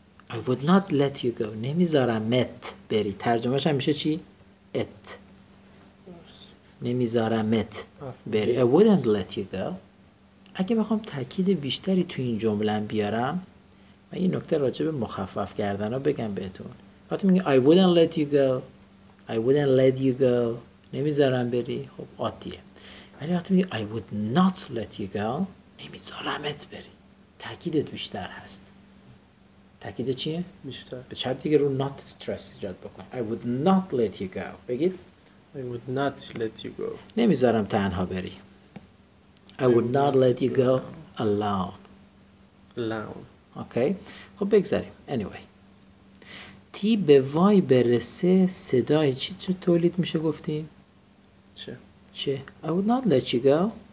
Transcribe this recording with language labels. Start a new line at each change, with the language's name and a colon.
English: I would not let you go.
Persian: نمیذارم ات بری. ترجمهش هم میشه چی؟ ات. نمیذارم ات بری.
English: I wouldn't let you go.
Persian: اگه بخوام تاکید بیشتری تو این جمله بیارم، من این نکته راجع به مخفف کردن رو بگم بهتون. وقتی میگه
English: I wouldn't let you go. I wouldn't let you go.
Persian: نمیذارم بری. خب عادیه. ولی وقتی میگه
English: I would not let you go.
Persian: نمیذارم ات بری. تاکیدت بیشتر هست. تاکید چیه؟ بیشتر. به شرطی که رو not stress ایجاد بکن.
English: I would not let you go.
Persian: بگید.
English: I would not let you go.
Persian: نمیذارم تنها بری.
English: I would not let you go alone. Alone.
Persian: Okay. خب بگذاریم. Anyway. تی به وای برسه صدای چی چه تولید میشه گفتیم؟ چه؟ چه؟
English: I would not let you go.